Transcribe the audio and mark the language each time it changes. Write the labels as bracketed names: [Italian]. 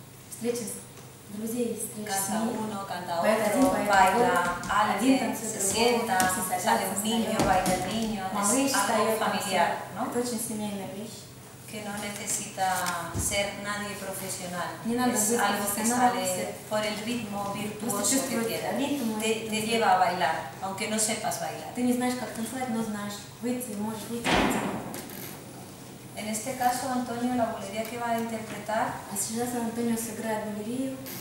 [Russian] встречи с друзей, встречи с семьей. [Spanish] Canta uno, canta otro, baila, alguien se sienta, sale un niño, baila el niño, es algo familiar, ¿no? [Russian] Это очень семейная вещь. [Spanish] Que no necesita ser nadie profesional. [Russian] Не надо [Spanish] es algo que sale por el ritmo virtuoso que queda. Te lleva a bailar, aunque no sepas bailar. [Russian] Ты не знаешь, как танцевать, но знаешь выйти, можешь выйти. [Spanish] En este caso, Antonio, la bulería que va a interpretar. Así es, Antonio se graba bulería.